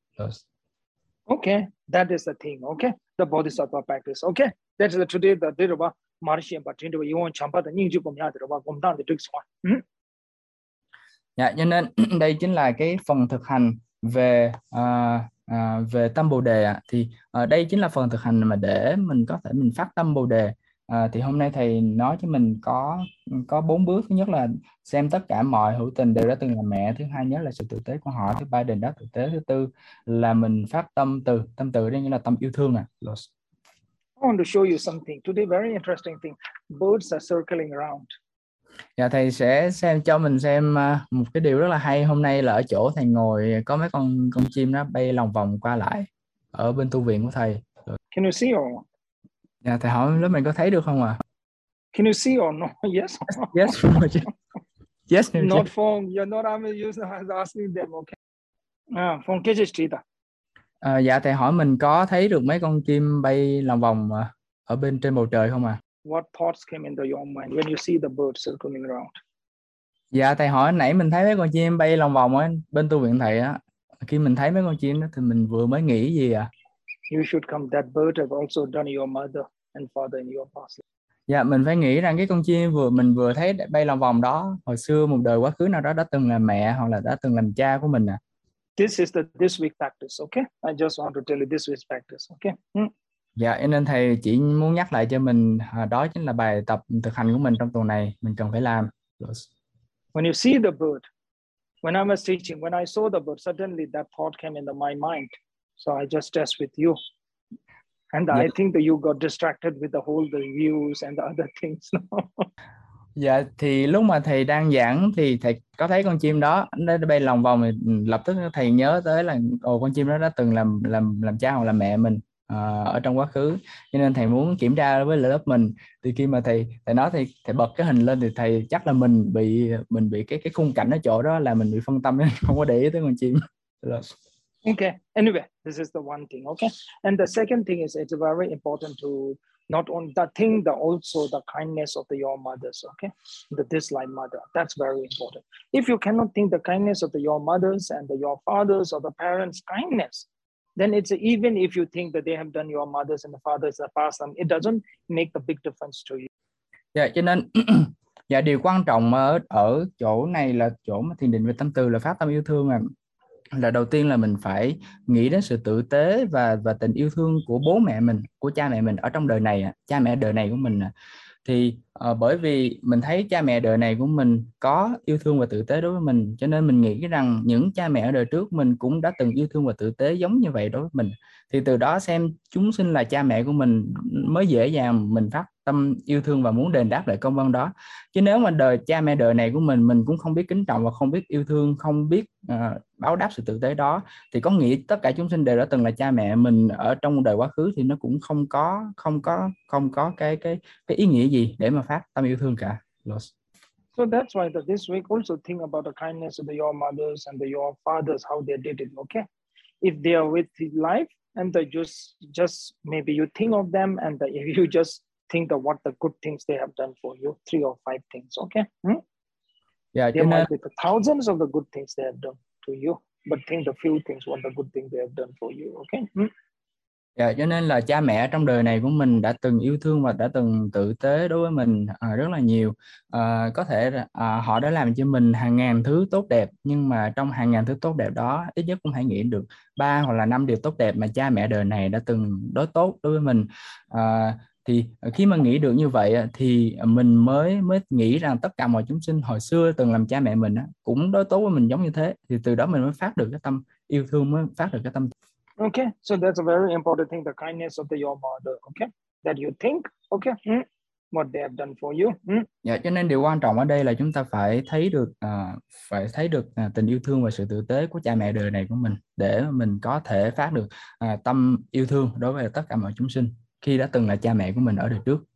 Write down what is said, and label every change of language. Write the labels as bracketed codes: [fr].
[en] Yes. Okay, that is the thing. Okay, the bodhisattva practice. Okay, that is the today the day of Marishim, but today you want Champa the Ninja Pumya, the Rava Gumdan, the Dix one. [vi] Dạ, cho nên đây chính là cái phần thực hành về về tâm bồ đề ạ. Thì đây chính là phần thực hành mà để mình có thể mình phát tâm bồ đề. Thì hôm nay thầy nói cho mình có bốn bước. Thứ nhất là xem tất cả mọi hữu tình đều đã từng là mẹ. Thứ hai nhớ là sự tử tế của họ. Thứ ba đền đáp tử tế. Thứ tư là mình phát tâm từ đây nghĩa là tâm yêu thương ạ. [en] I want to show you something today, very interesting thing. Birds are circling around. [vi] Dạ, thầy sẽ xem cho mình xem một cái điều rất là hay. Hôm nay là ở chỗ thầy ngồi có mấy con chim nó bay lòng vòng qua lại ở bên tu viện của thầy. [en] Can you see or? [vi] Dạ, thầy hỏi lớp mình có thấy được không ạ? [en] Can you see or no? Yes. Yes. Yes. Not from. You're not. I'm just asking them. Okay. From Kyrgyzstan. [vi] Dạ, thầy hỏi mình có thấy được mấy con chim bay lòng vòng ở bên trên bầu trời không ạ? [en] What thoughts came into your mind when you see the bird circling around? [vi] Dạ thầy hỏi nãy mình thấy mấy con chim bay lòng vòng ở bên tu viện thầy á. Khi mình thấy mấy con chim đó thì mình vừa mới nghĩ gì ạ? À? [en] You should come, that bird have also done your mother and father in your past. [vi] Dạ mình phải nghĩ rằng cái con chim mình vừa thấy bay lòng vòng đó hồi xưa một đời quá khứ nào đó đã từng là mẹ hoặc là đã từng làm cha của mình ạ. À. [en] This week practice, okay? I just want to tell you this week practice, okay? [vi] Dạ, nên thầy chỉ muốn nhắc lại cho mình đó chính là bài tập thực hành của mình trong tuần này mình cần phải làm. [en] When you see the bird, when I was teaching, when I saw the bird, suddenly that thought came into my mind. So I just test with you. And yeah. I think that you got distracted with the whole the views and the other things. [vi] Dạ, thì lúc mà thầy đang giảng thì thầy có thấy con chim đó nó bay lòng vòng thì lập tức thầy nhớ tới là con chim đó đã từng làm cha hoặc là mẹ mình ở trong quá khứ. Cho nên thầy muốn kiểm tra với lớp mình. Thì khi mà thầy nói thì thầy bật cái hình lên thì thầy chắc là mình bị cái khung cảnh ở chỗ đó là mình bị phân tâm không có để ý tới con chim. [en] Okay, anyway, this is the one thing, okay? And the second thing is it's very important to not only that thing, but also the kindness of your mothers, okay? The disliked mother, that's very important. If you cannot think the kindness of your mothers and your fathers or the parents' kindness, then it's even if you think that they have done your mothers and the fathers the past them, it doesn't make the big difference to you. [vi] Yeah, cho nên, dạ, điều quan trọng ở chỗ này là chỗ mà thiền định về tâm từ là phát tâm yêu thương à. Là đầu tiên là mình phải nghĩ đến sự tử tế và tình yêu thương của bố mẹ mình, của cha mẹ mình ở trong đời này, cha mẹ đời này của mình. Thì bởi vì mình thấy cha mẹ đời này của mình có yêu thương và tử tế đối với mình, cho nên mình nghĩ rằng những cha mẹ ở đời trước mình cũng đã từng yêu thương và tử tế giống như vậy đối với mình. Thì từ đó xem chúng sinh là cha mẹ của mình mới dễ dàng mình phát tâm yêu thương và muốn đền đáp lại công ơn đó. Chứ nếu mà đời cha mẹ đời này của mình cũng không biết kính trọng và không biết yêu thương, không biết báo đáp sự tử tế đó, thì có nghĩa tất cả chúng sinh đều đã từng là cha mẹ mình ở trong đời quá khứ thì nó cũng không có cái ý nghĩa gì để mà phát tâm yêu thương cả. Los. [en] So that's why that this week also think about the kindness of your mothers and your fathers, how they did it, okay? If they are with life and they just maybe you think of them and if you just think of what the good things they have done for you, 3 or 5 things, okay? Yeah, there might be the thousands of the good things they have done to you, but think the few things, what the good thing they have done for you, okay? [vi] Dạ, cho nên là cha mẹ trong đời này của mình đã từng yêu thương và đã từng tử tế đối với mình rất là nhiều. Có thể họ đã làm cho mình hàng ngàn thứ tốt đẹp, nhưng mà trong hàng ngàn thứ tốt đẹp đó, ít nhất cũng phải nghĩ được 3 hoặc là 5 điều tốt đẹp mà cha mẹ đời này đã từng đối tốt đối với mình. Thì khi mà nghĩ được như vậy thì mình mới nghĩ rằng tất cả mọi chúng sinh hồi xưa từng làm cha mẹ mình cũng đối tốt với mình giống như thế. Thì từ đó mình mới phát được cái tâm yêu thương, mới phát được cái tâm. [en] Okay, so that's a very important thing, the kindness of your mother, okay? That you think, okay, what they have done for you. [vi] Yeah, cho nên điều quan trọng ở đây là chúng ta phải thấy được tình yêu thương và sự tử tế của cha mẹ đời này của mình để mình có thể phát được tâm yêu thương đối với tất cả mọi chúng sinh khi đã từng là cha mẹ của mình ở đời trước.